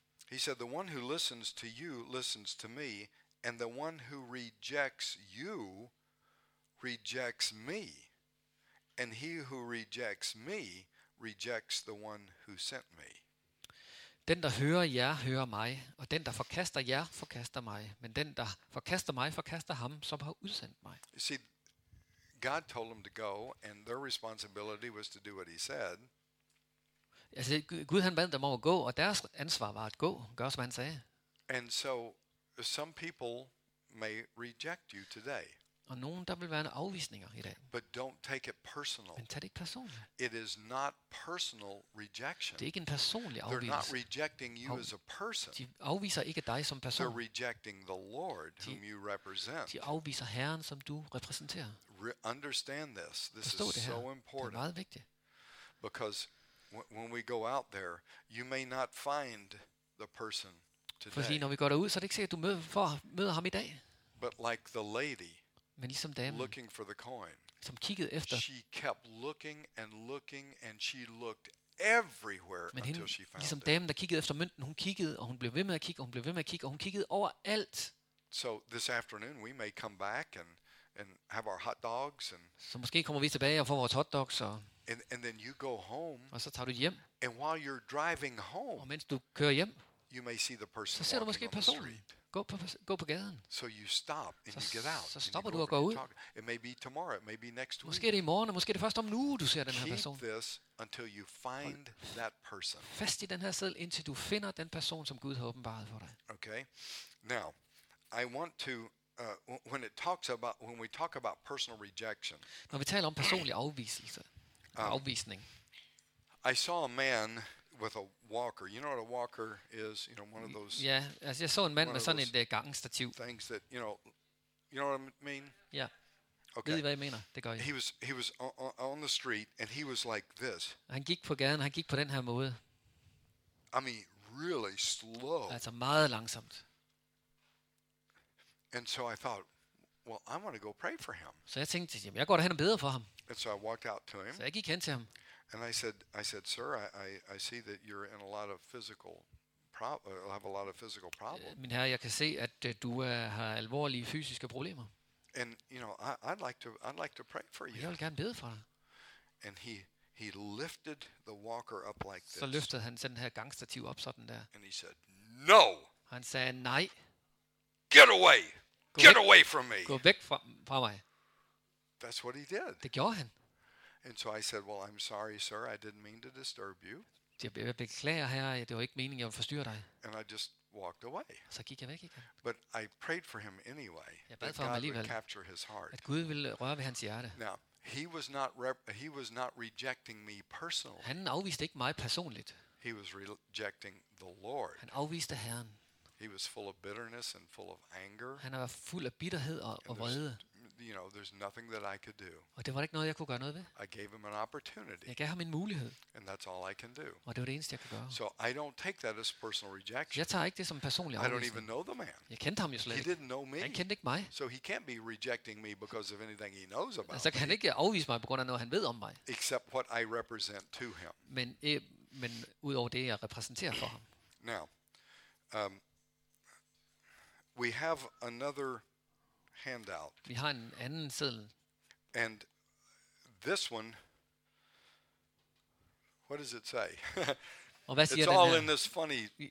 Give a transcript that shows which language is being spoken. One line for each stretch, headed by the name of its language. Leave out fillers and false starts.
English: He said, the one who listens to you listens to me, and the one who rejects you rejects me, and he who rejects me rejects the one who sent me.
Danish: Den der hører jer, hører mig, og den der forkaster jer, forkaster mig, men den der forkaster mig, forkaster ham, som har udsendt mig.
English: You see, God told them to go, and their responsibility was to do what he said.
Danish: Altså, Gud han bad dem om at gå, og deres ansvar var at gå, gør som han sagde.
English: And so some people may reject you today.
Danish: Og nogen, der vil være afvisninger i dag.
English: But don't take it personal.
Danish: Men tag det ikke personligt.
English: It is not personal rejection.
Danish: Det er ikke en personlig afvisning.
English: They're not rejecting you as a person.
Danish: De afviser ikke dig som person.
English: They're rejecting the Lord whom you represent.
Danish: De afviser Herren, som du repræsenterer.
English: Understand this. This is so important.
Danish: Det er meget vigtigt.
English: Because when we go out there, you may not find the person today.
Danish: Fordi når vi går derud, så er det ikke sikkert, at du møder ham i dag.
English: But like the lady.
Danish: Men ligesom damen,
English: looking for the coin,
Danish: som kiggede efter.
English: She kept looking and looking and she looked everywhere until she found it.
Danish: Men ligesom damen, der kiggede efter mynten, hun kiggede og hun blev ved med at kigge og hun blev ved med at kigge og hun kiggede overalt.
English: So this afternoon we may come back and have our hot dogs and.
Danish: Så måske kommer vi tilbage og får vores hot dogs og.
English: And then you go home.
Danish: Og så tager du hjem.
English: And while you're driving home.
Danish: Og mens du kører hjem.
English: You may see the person.
Danish: Så ser du måske personen. Gå på gaden.
English: So you stop and you get out.
Danish: Så stopper du og går ud.
English: It may be tomorrow, it may be next week.
Danish: Måske er det i morgen, måske er det først om nu du ser den her person.
English: Keep this until you find that person.
Danish: Fast i den her seddel indtil du finder den person som Gud har åbenbaret for dig.
English: Okay. Now, I want to when it talks about when we talk about personal rejection.
Danish: Når vi taler om personlig afvisning. Afvisning.
English: I saw a man with a walker. You know what a walker is? You know, one of those. Yeah, as
Danish: jeg så en mand med sådan et gangstativ.
English: Things that, you know what I mean? Yeah. Okay.
Danish: Ved I, hvad jeg mener? Det gør jeg.
English: He was on the street and he was like this.
Danish: Han gik på gaden, han gik på den her måde.
English: I mean, really slow.
Danish: Altså meget langsomt.
English: And so I thought, well, I want to go pray for him.
Danish: Så jeg tænkte, jamen, jeg går derhen og beder for ham.
English: And so I walked out to him.
Danish: Så jeg gik hen til ham.
English: And I said, sir, I see that you're in a lot of physical have a lot of physical problems.
Danish: Min herre, jeg kan se at du har alvorlige fysiske problemer.
English: And you know, I'd like to pray for you.
Danish: Jeg vil gerne bede for dig.
English: And he lifted the walker up like this.
Danish: Så løftede han den her gangstativ op sådan der.
English: And he said, no.
Danish: Han sagde nej.
English: Get away. Get away from me.
Danish: Gå væk fra mig.
English: That's what he did.
Danish: Det gjorde han.
English: And so I said, well, I'm sorry, sir. I didn't mean to disturb you.
Danish: Jeg beklager, herre. Det var ikke meningen, jeg ville forstyrre dig.
English: And I just walked away.
Danish: Så gik jeg væk igen.
English: But I prayed for him anyway.
Danish: Jeg bad for ham alligevel.
English: Capture his heart.
Danish: At Gud ville røre ved hans hjerte.
English: Now, he was not rejecting me personally.
Danish: Han afviste ikke mig personligt.
English: He was rejecting the Lord.
Danish: Han afviste Herren.
English: He was full of bitterness and full of anger.
Danish: Han var fuld af bitterhed og vrede.
English: You know, there's nothing that I could do.
Danish: Og det var ikke noget, jeg kunne gøre noget ved.
English: I gave him an opportunity.
Danish: Jeg gav ham en mulighed.
English: And that's all I can do.
Danish: Og det var det eneste, jeg kunne gøre.
English: So I don't take that as personal rejection.
Danish: Jeg tager ikke det som personlig afvisning.
English: I don't even know the man.
Danish: Jeg kendte ham jo slet ikke.
English: He didn't know me.
Danish: Han kendte ikke mig.
English: So he can't be rejecting me because of anything he knows about.
Danish: Altså, han ikke afvise mig på grund af noget, han ved om mig.
English: Except what I represent to him.
Danish: Men udover det, jeg repræsenterer for ham.
English: Now, we have another handout.
Danish: Vi har en anden seddel.
English: And this one, what does it say?
Danish: Og hvad siger
English: it's all in this funny